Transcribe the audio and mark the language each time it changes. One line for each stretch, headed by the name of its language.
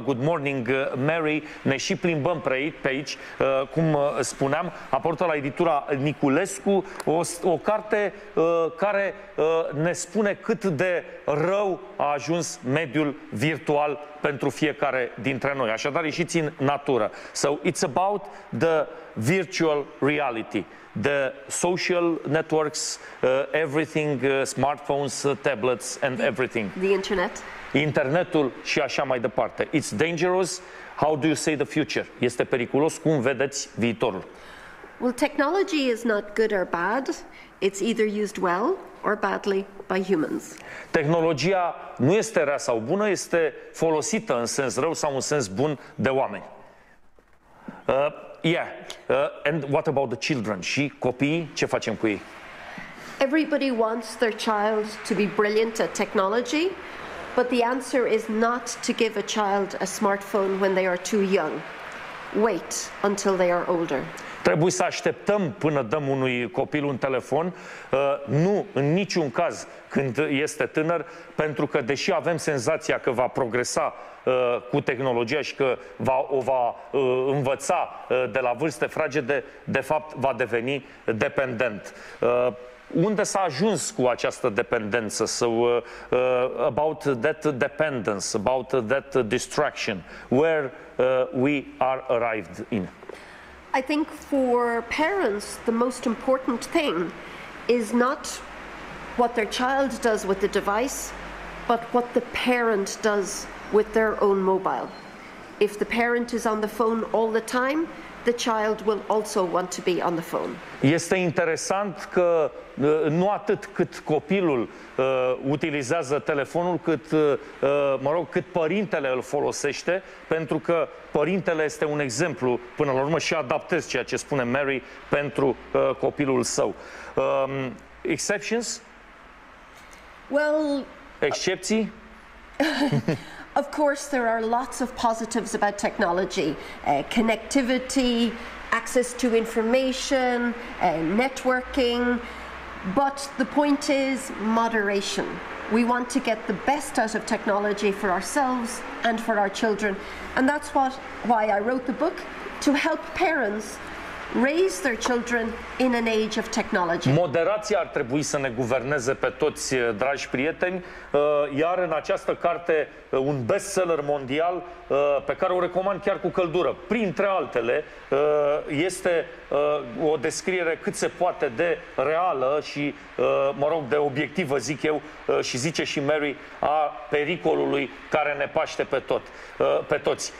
English: Good morning, Mary!
Romanian: Ne și plimbăm pe aici, cum spuneam, aportă la editura Niculescu, o carte care ne spune cât de rău a ajuns mediul virtual pentru fiecare dintre noi. Așadar, ieșiți în natură.
English: So, it's about the virtual reality. The social networks, everything, smartphones, tablets, and everything. The internet.
Romanian: Internetul și așa mai departe.
English: It's dangerous. How do you say the future?
Romanian: Este periculos. Cum vedeți viitorul?
English: Well, technology is not good or bad. It's either used well or badly by humans.
Romanian: Tehnologia nu este rea sau bună, este folosită în sens rău sau în sens bun de oameni.
English: Yeah. And what about the children?
Romanian: Și copiii, ce facem cu ei?
English: Everybody wants their child to be brilliant at technology, but the answer is not to give a child a smartphone when they are too young. Wait until they are older.
Romanian: Trebuie să așteptăm până dăm unui copil un telefon, nu în niciun caz când este tânăr, pentru că deși avem senzația că va progresa cu tehnologia și că o va învăța de la vârste fragede, de fapt va deveni dependent. Unde s-a ajuns cu această dependență?
English: So, about that dependence, about that distraction, where we are arrived in? I think for parents, the most important thing is not what their child does with the device, but what the parent does with their own mobile. If the parent is on the phone all the time, the child will also want to be on the phone.
Romanian: Este interesant că nu atât cât copilul utilizează telefonul, cât, cât părintele îl folosește, pentru că părintele este un exemplu, până la urmă, și adaptez ceea ce spune Mary pentru copilul său.
English: Exceptions? Well,
Romanian: excepții?
English: Of course, there are lots of positives about technology. Connectivity, access to information, networking. But the point is moderation. We want to get the best out of technology for ourselves and for our children. And that's why I wrote the book, to help parents raise their children in an age of technology.
Romanian: Moderația ar trebui să ne guverneze pe toți, dragi prieteni, iar în această carte, un bestseller mondial, pe care o recomand chiar cu căldură, printre altele, este o descriere cât se poate de reală și, de obiectivă, zic eu, și zice și Mary, a pericolului care ne paște pe toți.